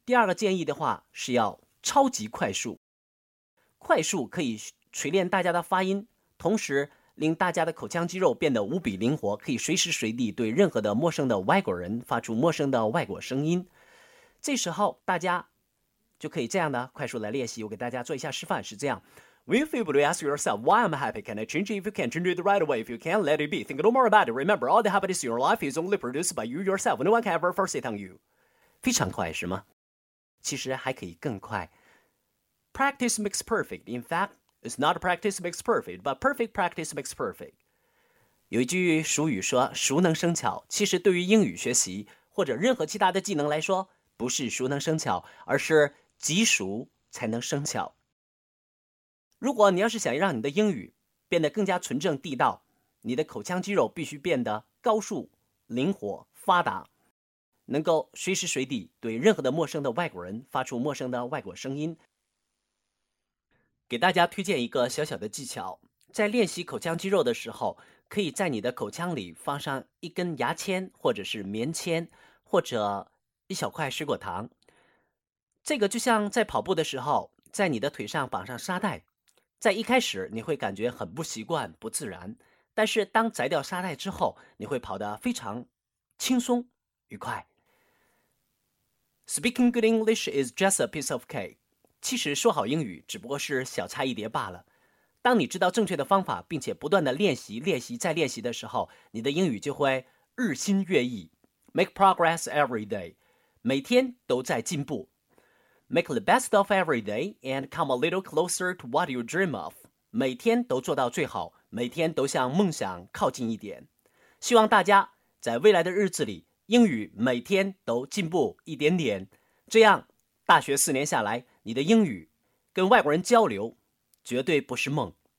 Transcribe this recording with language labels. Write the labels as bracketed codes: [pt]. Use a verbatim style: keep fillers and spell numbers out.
[zh] 第二个建议的话是要超级快速。快速可以锤炼大家的发音，同时令大家的口腔肌肉变得无比灵活，可以随时随地对任何的陌生的外国人发出陌生的外国声音。这时候大家就可以这样的快速来练习，我给大家做一下示范，是这样 [en] When you feel blue, ask yourself, why am I happy? Can I change it? If you can, change it right away. If you can, let it be. Think no more about it. Remember, all the happiness in your life is only produced by you yourself. No one can ever force it on you. [zh] 非常快是吗？其实还可以更快。 [en] Practice makes perfect. In fact, it's not practice makes perfect, but perfect practice makes perfect. [zh] 有一句俗语说熟能生巧，其实对于英语学习，或者任何其他的技能来说，不是熟能生巧，而是极熟才能生巧。如果你要是想让你的英语变得更加纯正地道，你的口腔肌肉必须变得高速、灵活、发达，能够随时随地对任何的陌生的外国人发出陌生的外国声音。给大家推荐一个小小的技巧，在练习口腔肌肉的时候，可以在你的口腔里放上一根牙签，或者是棉签，或者一小块水果糖。这个就像在跑步的时候，在你的腿上绑上沙袋。在一开始你会感觉很不习惯，不自然，但是当摘掉沙袋之后，你会跑得非常轻松愉快。 [en] Speaking good English is just a piece of cake. [zh] 其实说好英语只不过是小菜一碟罢了。当你知道正确的方法，并且不断的练习练习再练习的时候，你的英语就会日新月异。 [en] Make progress every day. [zh] 每天都在进步。 [en] Make the best of every day and come a little closer to what you dream of. [zh] 每天都做到最好，每天都向梦想靠近一点。希望大家在未来的日子里，英语每天都进步一点点，这样大学四年下来，你的英语跟外国人交流绝对不是梦。